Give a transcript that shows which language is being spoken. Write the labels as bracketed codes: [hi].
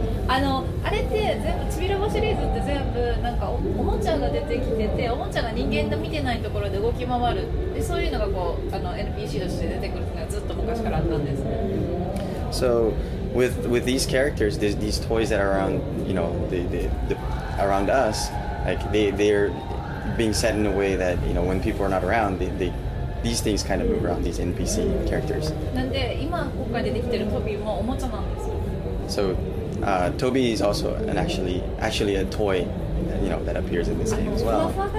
[ja] あれって全部チビロボシリーズって全部なんか おもちゃが出てきてて、おもちゃが人間の見てないところで動き回る、でそういうのがこうNPC として出てくるのがずっと昔からあったんです。 [en] So with these characters, these toys that are around, you know, the around us, like they're being set in a way that, you know, when people are not around, they these things kind of move around, these NPC characters. [ja] なんで今ここから出てきてるトビーもおもちゃなんですよ。 [en] So,Toby is also actually a toy, you know, that appears in this game as well.